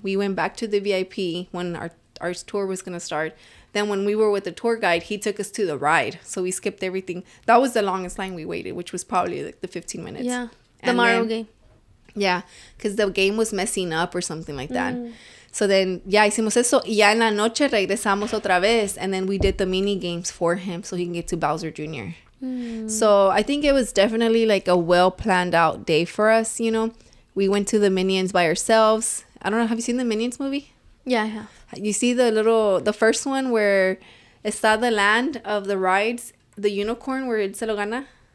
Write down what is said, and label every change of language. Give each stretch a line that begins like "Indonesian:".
English: We went back to the VIP when our tour was going to start. Then when we were with the tour guide, he took us to the ride. So we skipped everything. That was the longest line we waited, which was probably like the 15 minutes. Yeah, and the Mario game. Yeah, because the game was messing up or something like that. Mm. So then, yeah,
Spanish: hicimos eso. Y ya en la noche regresamos otra vez.
English: And then we did the mini games for him so he can get to Bowser Jr. Mm. So I think it was definitely like a well-planned out day for us, you know. We went to the Minions by ourselves. I don't know. Have you seen the Minions movie? Yeah, I have. You see the first one where it's at the land of the rides, the unicorn where it
Spanish: se lo gana?